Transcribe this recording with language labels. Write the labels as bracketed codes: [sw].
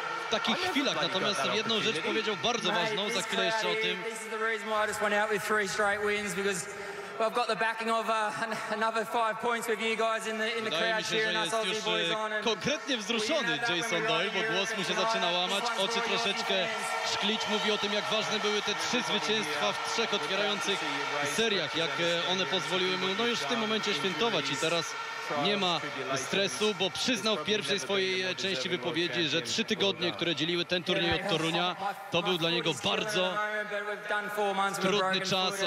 [pl] Takich chwilach, natomiast jedną rzecz powiedział bardzo ważną, za chwilę jeszcze o tym. [en] This is the reason why I just went out with three straight wins, because I've got the backing of another 5 points with you guys in the crowd here, and us Aussie boys on. [pl] Konkretnie wzruszony Jason Doyle, bo głos mu się zaczyna łamać, oczy troszeczkę szklić, mówi o tym, jak ważne były te trzy zwycięstwa w trzech otwierających seriach, jak one pozwoliły mu no już w tym momencie świętować. I teraz nie ma stresu, bo przyznał w pierwszej swojej części wypowiedzi, że 3 tygodnie, które dzieliły ten turniej od Torunia, to był dla niego bardzo trudny czas.